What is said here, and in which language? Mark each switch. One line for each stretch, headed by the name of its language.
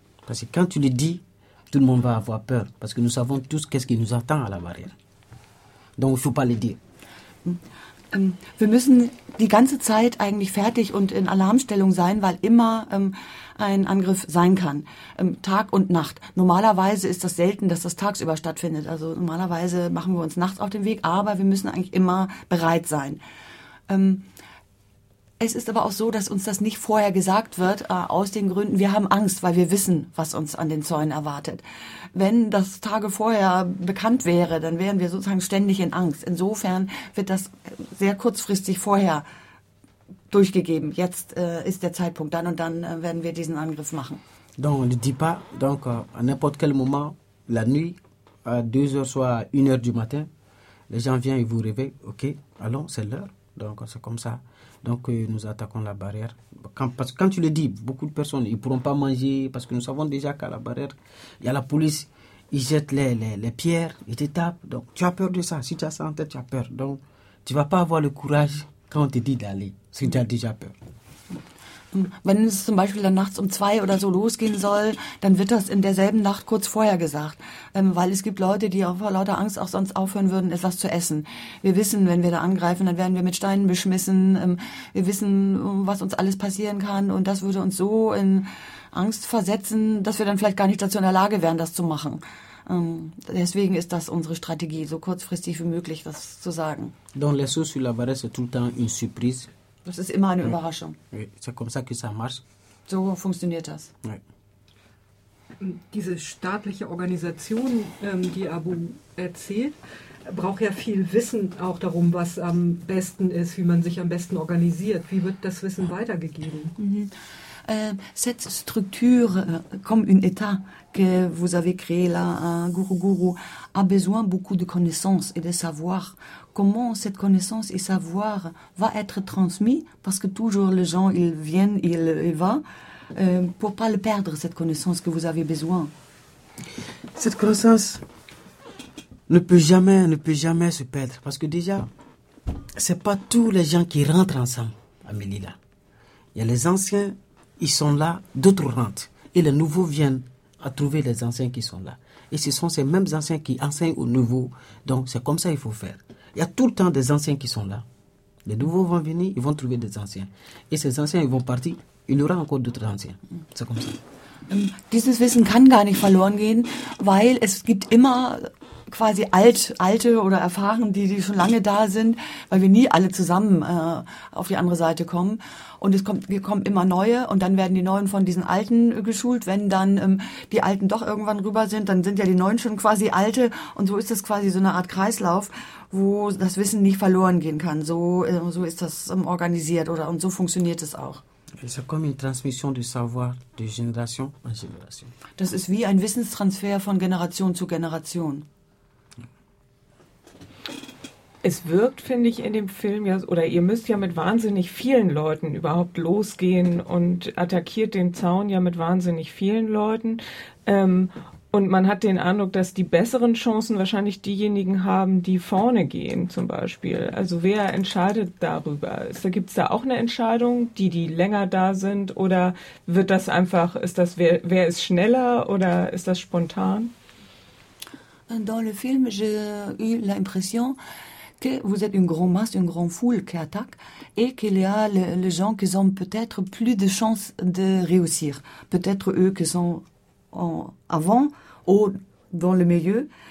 French: Parce que quand tu le dis, tout le monde va avoir peur. Parce que nous savons tous qu'est-ce qui nous attend à la barrière. Donc il ne faut pas le dire.
German: Wir müssen die ganze Zeit eigentlich fertig und in Alarmstellung sein, weil immer ein Angriff sein kann, Tag und Nacht. Normalerweise ist das selten, dass das tagsüber stattfindet. Also normalerweise machen wir uns nachts auf den Weg, aber wir müssen eigentlich immer bereit sein. Es ist aber auch so, dass uns das nicht vorher gesagt wird, aus den Gründen, wir haben Angst, weil wir wissen, was uns an den Zäunen erwartet. Wenn das Tage vorher bekannt wäre, dann wären wir sozusagen ständig in Angst. Insofern wird das sehr kurzfristig vorher durchgegeben. Jetzt ist der Zeitpunkt, dann und dann werden wir diesen Angriff machen.
French: Donc, on ne dit pas, donc, à n'importe quel moment, la nuit, à 2 heures, soit 1 heure du matin, les gens viennent et vous réveillent, ok, allons, c'est l'heure, donc c'est comme ça. Donc, nous attaquons la barrière. Quand tu le dis, beaucoup de personnes ne pourront pas manger parce que nous savons déjà qu'à la barrière, il y a la police, ils jettent les pierres, ils te tapent. Donc, tu as peur de ça. Si tu as ça en tête, tu as peur. Donc, tu ne vas pas avoir le courage quand on te dit d'aller, si tu as déjà peur.
German: Wenn es zum Beispiel dann nachts um 2 oder so losgehen soll, dann wird das in derselben Nacht kurz vorher gesagt. Weil es gibt Leute, die auch vor lauter Angst auch sonst aufhören würden, etwas zu essen. Wir wissen, wenn wir da angreifen, dann werden wir mit Steinen beschmissen. Wir wissen, was uns alles passieren kann. Und das würde uns so in Angst versetzen, dass wir dann vielleicht gar nicht dazu in der Lage wären, das zu machen. Deswegen ist das unsere Strategie, so kurzfristig wie möglich das zu sagen.
French: Donc les sauts sur la barrière, c'est tout le temps une surprise.
German: Das ist immer eine Überraschung.
French: C'est comme ça que ça marche.
German: So funktioniert das.
French: Oui.
German: Diese staatliche Organisation, die Abu erzählt, braucht ja viel Wissen auch darum, was am besten ist, wie man sich am besten organisiert. Wie wird das Wissen weitergegeben?
French: cette structure comme un état que vous avez créé là, Guru Guru, a besoin beaucoup de connaissances et de savoir. Comment cette connaissance et savoir va être transmis, parce que toujours les gens, ils viennent, ils vont, pour pas le perdre, cette connaissance que vous avez besoin. Cette connaissance ne peut jamais se perdre, parce que déjà, c'est pas tous les gens qui rentrent ensemble à Melilla. Il y a les anciens, ils sont là, d'autres rentrent, et les nouveaux viennent à trouver les anciens qui sont là. Et ce sont ces mêmes anciens qui enseignent aux nouveaux, donc c'est comme ça qu'il faut faire. Il y a tout le temps des anciens qui sont là. Les nouveaux vont venir, ils vont trouver des anciens. Et ces anciens, ils vont partir, il y aura encore d'autres anciens. C'est comme ça.
German: Dieses Wissen kann gar nicht verloren gehen, weil es gibt immer quasi alte oder erfahrene, die schon lange da sind, weil wir nie alle zusammen auf die andere Seite kommen. Und wir kommen immer neue und dann werden die Neuen von diesen Alten geschult. Wenn dann die Alten doch irgendwann rüber sind, dann sind ja die Neuen schon quasi alte. Und so ist das quasi so eine Art Kreislauf, wo das Wissen nicht verloren gehen kann. So ist das organisiert oder und so funktioniert es auch.
French: C'est comme une transmission du savoir de génération en génération.
German: Das ist wie ein Wissenstransfer von Generation zu Generation. Es wirkt, finde ich, in dem Film, ja, oder ihr müsst ja mit wahnsinnig vielen Leuten überhaupt losgehen und attackiert den Zaun ja mit wahnsinnig vielen Leuten. Und man hat den Eindruck, dass die besseren Chancen wahrscheinlich diejenigen haben, die vorne gehen zum Beispiel. Also wer entscheidet darüber? Gibt es da auch eine Entscheidung, die länger da sind? Oder wird das einfach, wer ist schneller oder ist das spontan?
French: Dans le film, j'ai eu l'impression que vous êtes une grande masse, une grande foule qui attaque et qu'il y a les gens qui ont peut-être plus de chances de réussir. Peut-être eux qui sont avant ou dans le milieu.